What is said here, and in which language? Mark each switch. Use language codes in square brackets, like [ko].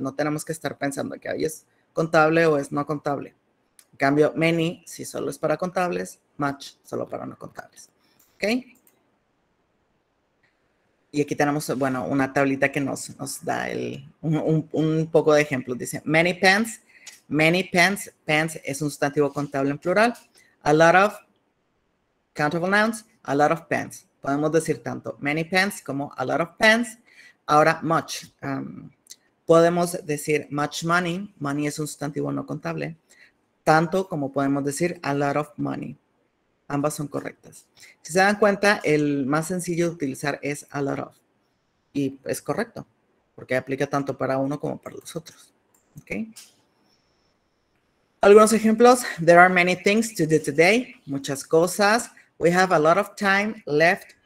[es] No tenemos que estar pensando que ahí es contable o es no contable. En cambio, many, si solo es para contables, much, solo para no contables. ¿Ok? Y aquí tenemos, bueno, una tablita que nos, nos da el, un poco de ejemplo. Dice, many pens, pens es un sustantivo contable en plural. [en] A lot of, countable nouns, a lot of pens. [es] Podemos decir tanto [en] many pens [es] como [en] a lot of pens. [es] Ahora, much. Podemos decir [en] much money. [es] Money es un sustantivo no contable. Tanto como podemos decir [en] a lot of money. [es] Ambas son correctas. Si se dan cuenta, el más sencillo de utilizar es a lot of. Y es correcto, porque aplica tanto para uno como para los otros. ¿Okay? Algunos ejemplos. [en] There are many things to do today. [es] Muchas cosas. [en] We have a lot of time left.